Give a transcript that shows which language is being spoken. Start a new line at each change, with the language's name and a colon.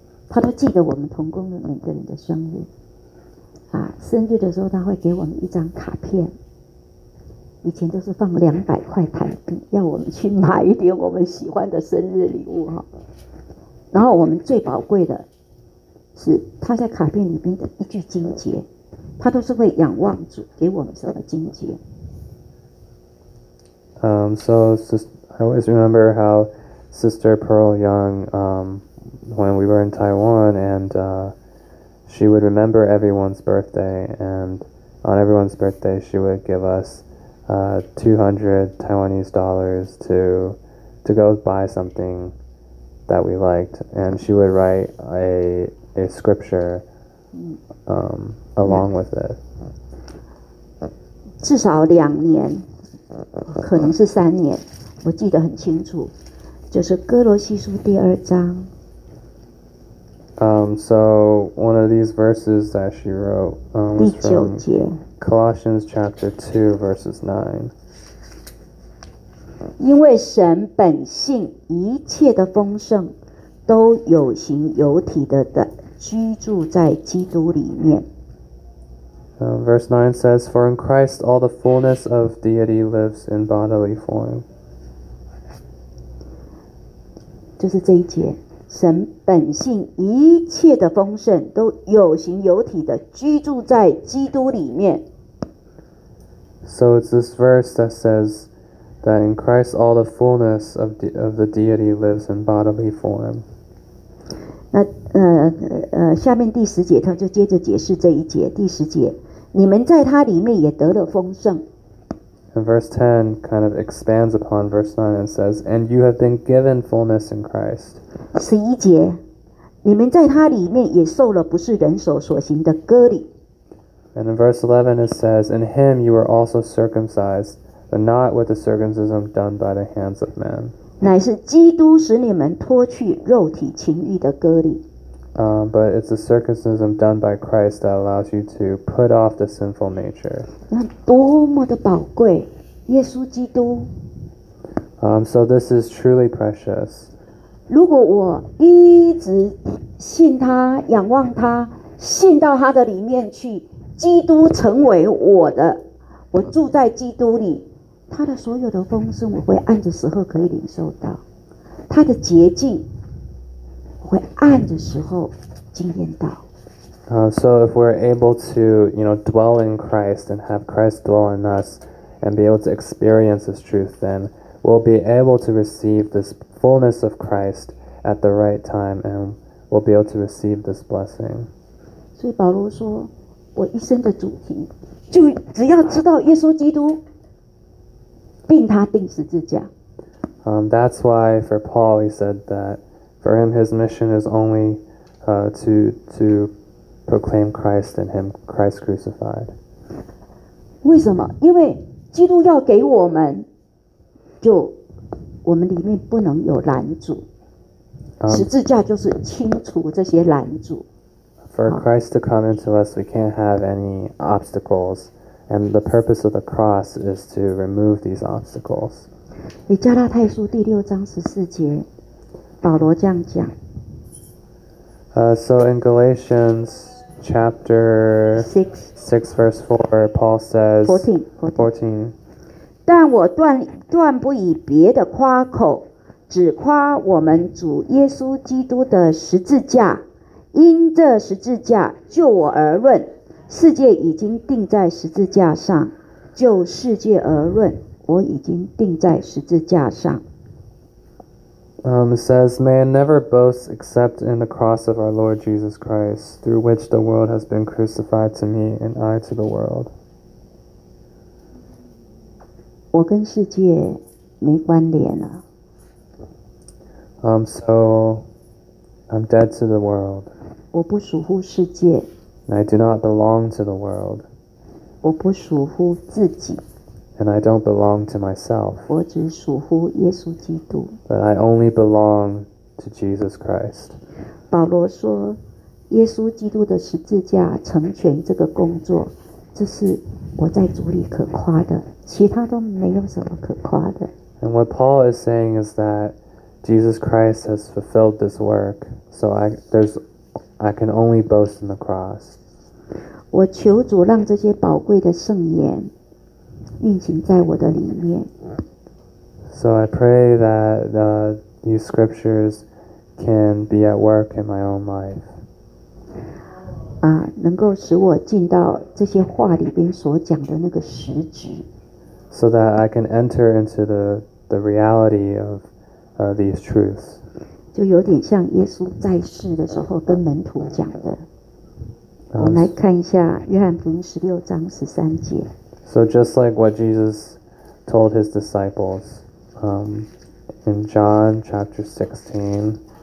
Chinese: 他都记得我们同工的每个人的生日，生日的时候他会给我们一张卡片，以前都是放200块台币，要我们去买一点我们喜欢的生日礼物，然后我们最宝贵的是他在卡片里面的一句经节，他都是会仰望主给我们什么经节。
English: So I always remember how Sister Pearl Young, when we were in Taiwan, and she would remember everyone's birthday, and on everyone's birthday she would give us 200 Taiwanese dollars to go buy something that we liked, and she would write a scripture along with it.
Chinese: 至少两年，可能是三年，我记得很清楚，就是哥罗西书第二章。
English: So one of these verses that she wrote was from Colossians chapter 2, verses 9.
Chinese: 因为神本性一切的丰盛都有形有体 的居住在基督里面。
English: Verse 9 says, For in Christ all the fullness of deity lives in bodily form.
Chinese: 就是这一节，神本性一切的丰盛都有形有体的居住在基督里面。
English: So it's this verse that says that in Christ all the fullness of the deity lives in bodily form.
Chinese: 那下面第十节他就接着解释这一节，第十节。你们在他里面也得了丰盛。
English: And verse 10 kind of expands upon verse 9 and says, And you have been given fullness in Christ.
Chinese: 11节，你们在他里面也受了不是人手所行的割礼。
English: And in verse 11 it says, In him you were also circumcised, but not with the circumcision done by the hands of men.
Chinese: 乃是基督使你们脱去肉体情欲的割礼。
English: But it's the circumcision done by Christ that allows you to put off the sinful nature.
Chinese: 那多么的宝贵，耶稣基督。
English: So this is truly precious.
Chinese: 如果我一直信他，仰望他，信到他的里面去，基督成为我的，我住在基督里，他的所有的丰盛我会按着时候可以领受到，他的洁净。会按的时候经验到。
English: So if we're able to, you know, dwell in Christ and have Christ dwell in us and be able to experience this truth, then we'll be able to receive this fullness of Christ at the right time and we'll be able to receive this blessing.
Chinese: 所以保罗说，我一生的主题，就只要知道耶稣基督，并他钉十字架。
English: That's why for Paul he said that. For him, his mission is only to proclaim Christ and him, Christ crucified.
Chinese: 为什么？因为基督要给我们，就我们里面不能有拦阻。十字架就是清除这些拦阻。
English: For Christ to come into us, we can't have any obstacles. And the purpose of the cross is to remove these obstacles.
Chinese: 你加拉太书第六章十四节。保罗这样讲。
English: So in Galatians chapter 6 verse 4, Paul says, 14.
Chinese: 但我断不以别的夸口，只夸我们主耶稣基督的十字架。因这十字架，就我而论，世界已经钉在十字架上；就世界而论，我已经钉在十字架上。
English: It says, May I never boast except in the cross of our Lord Jesus Christ, through which the world has been crucified to me and I to the world.
Chinese: 我跟世界没关联了。
English: So I'm dead to the world.
Chinese: 我不属乎世界。
English: And I do not belong to the world.
Chinese: 我不属乎自己。
English: And I don't belong to myself.
Chinese: 我只属乎耶稣基督。
English: But I only belong to Jesus Christ.
Chinese: 保罗说，耶稣基督的十字架成全这个工作，这是我在主里可夸的，其他都没有什么可夸的。
English: And what Paul is saying is that Jesus Christ has fulfilled this work, so I can only boast in the cross.
Chinese: 我求主让这些宝贵的圣言运行在我的里面。
English: So I pray that these scriptures can be at work in my own life.
Chinese: 能够使我进到这些话里边所讲的那个实质。
English: So that I can enter into the reality of these truths.
Chinese: 就有点像耶稣在世的时候跟门徒讲的。我们来看一下约翰福音十六章十三节。
English: So just like what Jesus told his disciples in John chapter 16.